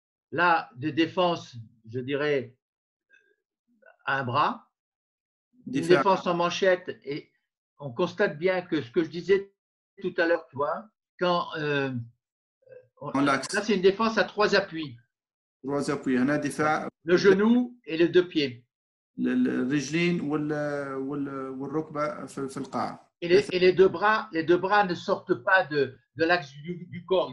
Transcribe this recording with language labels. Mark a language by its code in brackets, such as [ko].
[fr] Là, des défenses, je dirais, à un bras. Une défense en manchette. Et on constate bien que ce que je disais tout à l'heure, tu vois, quand. L'axe. Là, c'est une défense à trois appuis. Trois appuis. Il y en a des fois. Le genou et les deux pieds. [ar] الرجلين والركبة في القاع. [fr] Et les deux bras ne sortent pas de l'axe du corps.